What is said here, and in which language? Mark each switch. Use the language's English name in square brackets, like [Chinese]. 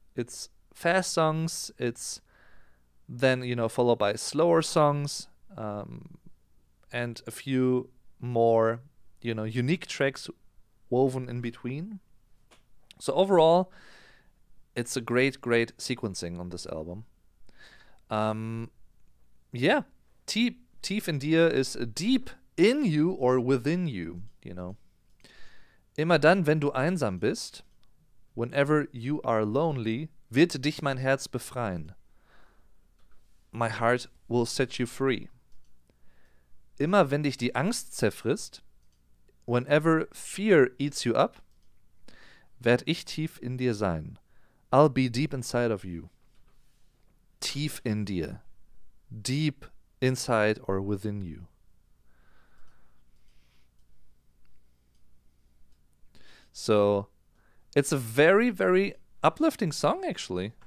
[English] It's fast songs, it's then, you know, followed by slower songs, and a few more, you know, unique tracks woven in between. So overall, it's a great, great sequencing on this album. Yeah, Teeth and Deer is deep in you or within you, you know. [German] Immer dann, wenn du einsam bist, [English] whenever you are lonely, [German] wird dich mein Herz befreien. [English] My heart will set you free. [German] Immer wenn dich die Angst zerfrisst, [English] whenever fear eats you up, [German] werd ich tief in dir sein. [English] I'll be deep inside of you. [German] Tief in dir. [English] Deep inside or within you. So, it's a very, very uplifting song, actually.